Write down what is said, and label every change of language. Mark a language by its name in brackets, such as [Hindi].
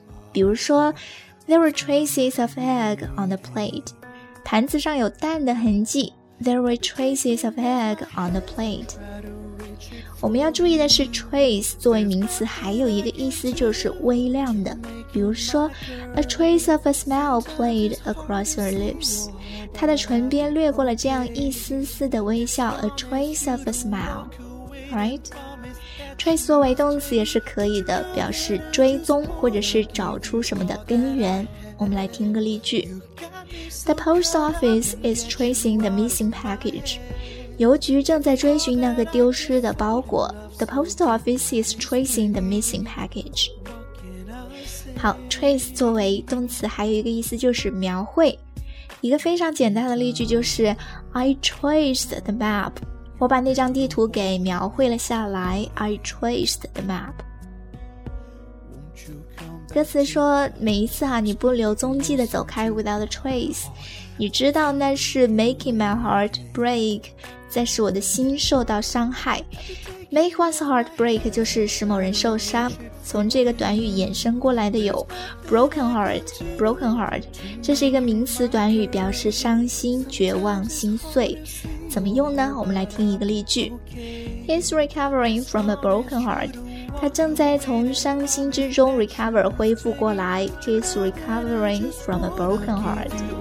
[Chinese] 比如说 [English] ,There were traces of egg on the plate. [Chinese] 盘子上有蛋的痕迹。 [English] There were traces of egg on the plate. [Chinese] 我们要注意的是 trace 作为名词还有一个意思就是微量的，比如说 [English] A trace of a smile played across her lips， [Chinese] 她的唇边掠过了这样一丝丝的微笑， [English] A trace of a smile， right？ [Chinese] Trace 作为动词也是可以的，表示追踪或者是找出什么的根源。我们来听个例句， [English] The post office is tracing the missing package. [Chinese] 邮局正在追寻那个丢失的包裹。 [English] The post office is tracing the missing package. [Chinese] 好， trace 作为动词还有一个意思就是描绘。一个非常简单的例句就是 [English] I traced the map. [Chinese] 我把那张地图给描绘了下来。 [English] I traced the map. [Chinese] 歌词说每一次啊，你不留踪迹的走开 [English] without a trace. [Chinese] 你知道那是 [English] making my heart break. [Chinese] 在使我的心受到伤害 [English] Make one's heart break [Chinese] 就是使某人受伤从这个短语衍生过来的有 [English] Broken heart Broken heart [Chinese] 这是一个名词短语表示伤心绝望心碎怎么用呢我们来听一个例句 [English] He's recovering from a broken heart [Chinese] 他正在从伤心之中 recover 恢复过来 He's recovering from a broken heart